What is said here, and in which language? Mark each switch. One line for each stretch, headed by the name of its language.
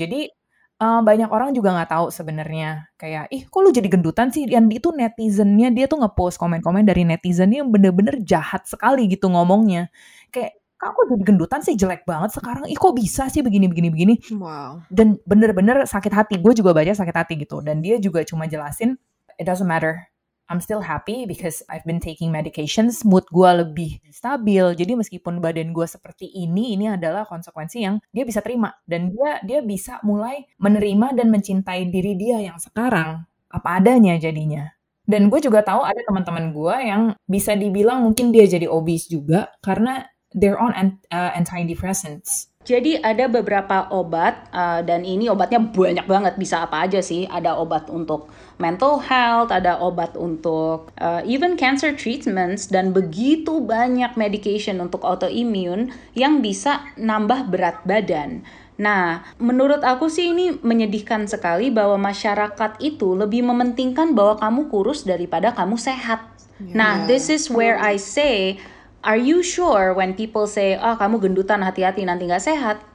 Indonesian: Jadi banyak orang juga gak tahu sebenarnya kayak, ih kok lu jadi gendutan sih? Yang itu netizennya, dia tuh nge-post komen-komen dari netizennya yang bener-bener jahat sekali gitu ngomongnya. Kayak, kak kok jadi gendutan sih? Jelek banget sekarang. Ih kok bisa sih begini-begini-begini? Wow. Dan bener-bener sakit hati. Gue juga baca sakit hati gitu. Dan dia juga cuma jelasin,
English: it doesn't matter. I'm still happy because I've been taking medications.
Indonesian: Mood gue lebih stabil. Jadi meskipun badan gue seperti ini adalah konsekuensi yang dia bisa terima. Dan dia bisa mulai menerima dan mencintai diri dia yang sekarang. Apa adanya jadinya. Dan gue juga tahu ada teman-teman gue yang bisa dibilang mungkin dia jadi obese juga.
English: Karena they're on antidepressants.
Indonesian: Jadi ada beberapa obat, dan ini obatnya banyak banget, bisa apa aja sih. Ada obat untuk mental health, ada obat untuk even cancer treatments, dan begitu banyak medication untuk autoimmune yang bisa nambah berat badan. Nah, menurut aku sih ini menyedihkan sekali bahwa masyarakat itu lebih mementingkan bahwa kamu kurus daripada kamu sehat.
English: Yeah. Nah, this is where I say, are you sure when people say, oh,
Indonesian: kamu gendutan, hati-hati, nanti gak sehat?